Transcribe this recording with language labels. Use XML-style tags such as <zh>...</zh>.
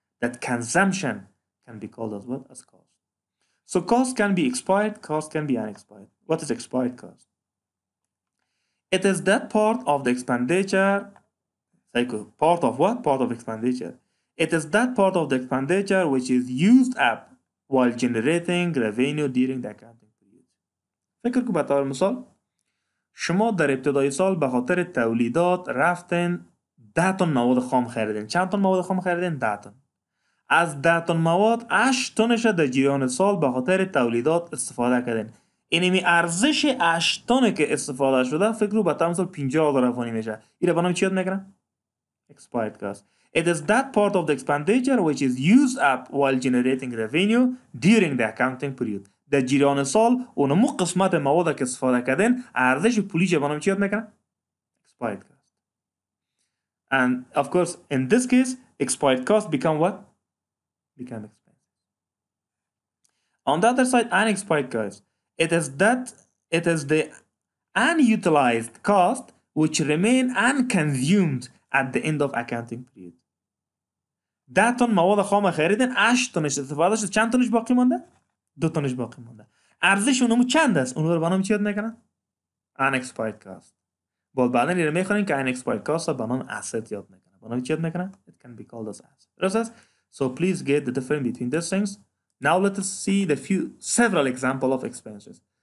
<en>That consumption can be called as well as cost. So cost can be expired, cost can be unexpired. What is expired cost? It is that part of the expenditure, part of what? Part of expenditure. It is that part of the expenditure which is used up while generating revenue during the accounting period.</en> <fa>فکر کن بطور مثال شما در ابتدای سال به خاطر تولیدات رفتن 10 تن مواد خام خریدین. چند تن مواد خام خریدین؟ 10 تن. از 10 تن مواد 8 تنش در جریان سال به خاطر تولیدات استفاده کردین. اینمی ارزش 8 تن که استفاده شده فکر کن بطور مثال 50,000 افغانی میشه. این رو بنام چی یاد میگرم؟ Expired cost.</fa> <en>It is that part of the expenditure which is used up while generating revenue during the accounting period.</en> <fa>در جریان سال اونمو قسمت مواد که استفاده کردن ارزش پولیش بنام چی یاد میکنن؟ Expired cost.</fa> <en>And of course in this case expired cost become what? Become expense. On the other side unexpired cost. It is the unutilized cost which remain unconsumed at the end of accounting period.</en> <fa>10 تن مواد خام خریدن 8 تنش استفاده شد. چند تنش باقی مانده؟ 2 تنش باقی مانده. ارزش اونمو چند است؟ اونو رو بنام چی یاد میکنن؟ unexpired cost. بعد بعدا این رو میخونیم که unexpired cost رو بنام asset یاد میکنن. بنام چی یاد میکنن؟</fa> <en>It can be called as asset. Process. So please get the difference between these things. Now let us see the few several example of expenses.</en>